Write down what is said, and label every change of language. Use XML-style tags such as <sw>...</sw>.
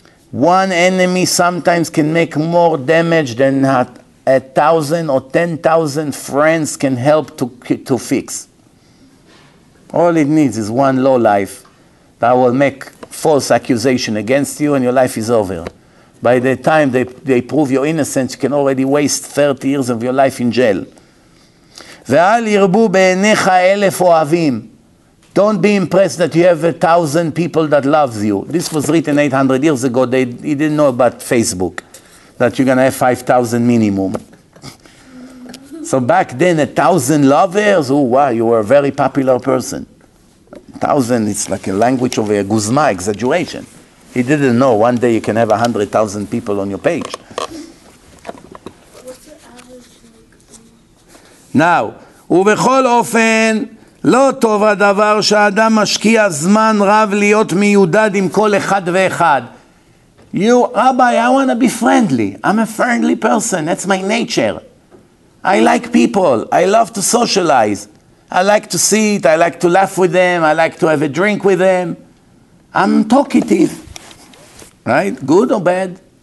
<en>One enemy sometimes can make more damage than a thousand or 10,000 friends can help to fix. All it needs is one low life that will make false accusation against you and your life is over. By the time they prove your innocence, you can already waste 30 years of your life in jail.</en> <he>ואל ירבו בעיניך אלף אוהבים.</he> <en>Don't be impressed that you have 1,000 people that loves you. This was written 800 years ago. He didn't know about Facebook, that you're going to have 5,000 minimum. So back then, 1,000 lovers? Oh, wow, you were a very popular person. 1,000, it's like a language of a guzma, exaggeration. He didn't know one day you can have 100,000 people on your page. Now,</en> <he>ובכל אופן, לא טוב הדבר שאדם משקיע זמן רב להיות מיודד עם כל אחד ואחד.</he> <en>You, Rabbi, I want to be friendly. I'm a friendly person. That's my nature. I like people. I love to socialize. I like to see it, I like to laugh with them, I like to have a drink with them. I'm talkative. Right? Good or bad?</en>